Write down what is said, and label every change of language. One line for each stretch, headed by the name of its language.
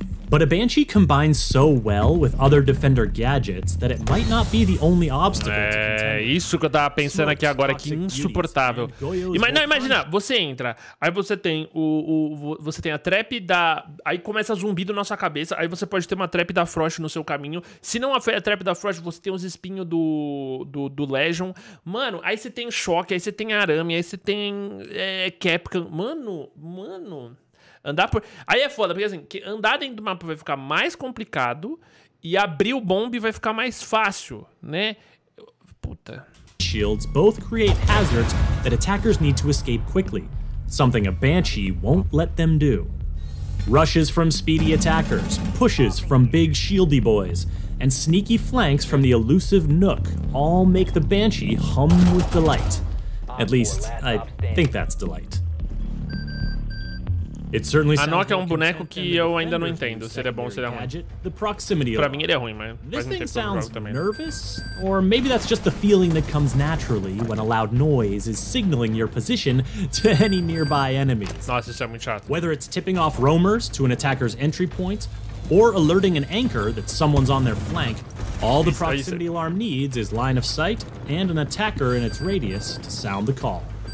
English: But a Banshee combines so well with other Defender gadgets that it might not be the only obstacle to contend.
Portuguese: É isso que eu tava pensando aqui agora, que insuportável. Imagina, você entra, aí você tem você tem a trap da... Aí começa a zumbido na sua cabeça, aí você pode ter uma trap da Frost no seu caminho. Se não foi a trap da Frost, você tem os espinhos do Legion. Mano, aí você tem choque, aí você tem arame, aí você tem Capcan. Mano... Andar por... Aí é foda, porque assim, andar dentro do mapa vai ficar mais complicado e abrir o bombe vai ficar mais fácil, né? Puta.
English: Shields both create hazards that attackers need to escape quickly, something a Banshee won't let them do. Rushes from speedy attackers, pushes from big shieldy boys, and sneaky flanks from the elusive Nook all make the Banshee hum with delight. At least, I think that's delight. It certainly
Portuguese: a Nook é um boneco que eu ainda não entendo se ele é bom ou se ele é ruim. Pra mim ele é ruim, mas faz um tempo que eu também.
English: Nervous, or maybe that's just the feeling that comes naturally when a loud noise is signaling your position to any nearby enemies.
Portuguese: Nossa, isso é muito chato.
English: Whether it's tipping off roamers to an attacker's entry point, or alerting an anchor that someone's on their flank, all the proximity alarm needs is line of sight and an attacker in its radius to sound the call.